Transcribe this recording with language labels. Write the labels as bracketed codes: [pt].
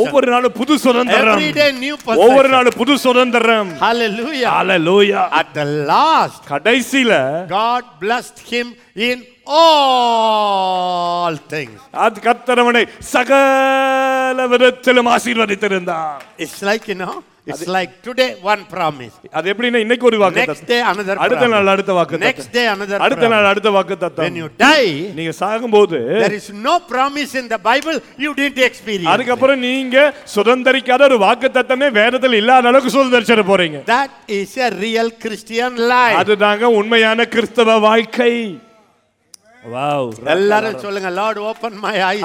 [ta] ஒவ்வொரு நாளும் புது சுதந்திரம். [en] Every day new possession. [ta] ஒவ்வொரு நாளும் புது சுதந்திரம். Hallelujah. Hallelujah. [en] At the last. [ta] கடைசில [en] God blessed him in all things. [ta] அது கர்த்தரவனை சகல விதத்திலும் ஆசீர்வதித்திருந்தார். [en] It's like you know It's like today one promise. [ta] அது எப்படினா இன்னைக்கு ஒரு வாக்குத்தத்தம். [en] Next day another promise. [ta] அடுத்த நாள் அடுத்த வாக்குத்தத்தம். [en] Next day another promise. [ta] அடுத்த நாள் அடுத்த வாக்குத்தத்தம். [en] When you die, [ta] நீங்க சாகும்போது [en] there is no promise in the Bible you didn't experience. [ta] அதுக்கு அப்புறம் நீங்க சுதந்தரிக்காத ஒரு வாக்குத்தத்தமே வேதத்தில் இல்லாத அளவுக்கு சுதந்தரிச்சிட போறீங்க. [en] That is a real Christian life. [ta] அதுதாங்க உண்மையான கிறிஸ்தவ வாழ்க்கை. Wow. எல்லாரும் சொல்லுங்க [en] Lord open my eyes.